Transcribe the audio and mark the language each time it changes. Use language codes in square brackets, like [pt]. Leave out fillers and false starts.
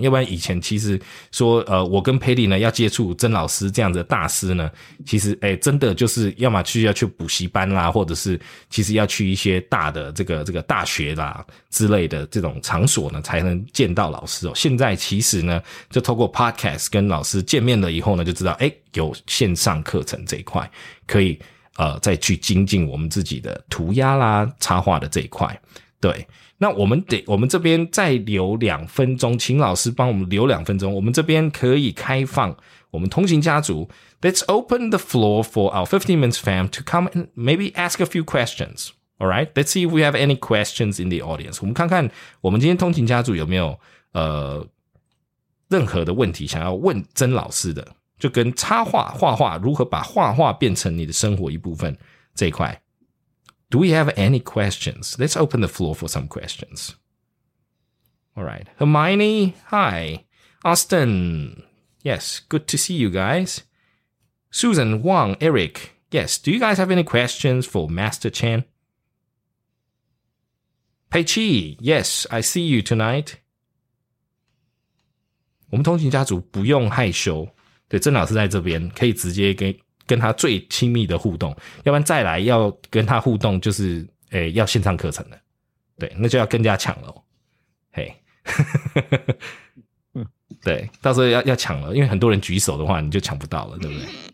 [zh] 要不然以前其实说，我跟 Paddy 呢要接触曾老师这样的大师呢，其实哎，真的就是要么去要去补习班啦，或者是其实要去一些大的这个大学啦之类的这种场所呢，才能见到老师哦。现在其实呢，就透过 podcast 跟老师见面了以后呢，就知道，诶，有线上课程这一块可以再去精进我们自己的涂鸦啦插画的这一块。 [en] 对，那我们这边再留两分钟，请老师帮我们留两分钟，我们这边可以开放我们通勤家族， Let's open the floor for our 15 minutes fam to come and maybe ask a few questionsAlright, let's see if we have any questions in the audience. [zh] 我们看看我们今天通勤家族有没有任何的问题想要问曾老师的，就跟插画画画如何把画画变成你的生活一部分这一块。 [en] Do we have any questions? Let's open the floor for some questions. Alright, Hermione, hi. Austin, yes, good to see you guys. Susan, Wang, Eric, yes, do you guys have any questions for Master Chan? Pei Chi, yes, I see you tonight. [zh] 我们通勤家族不用害羞，对，曾老师在这边可以直接跟他最亲密的互动，要不然再来要跟他互动就是诶要线上课程了，对，那就要更加抢了，嘿对，到时候要抢了，因为很多人举手的话你就抢不到了，对不对？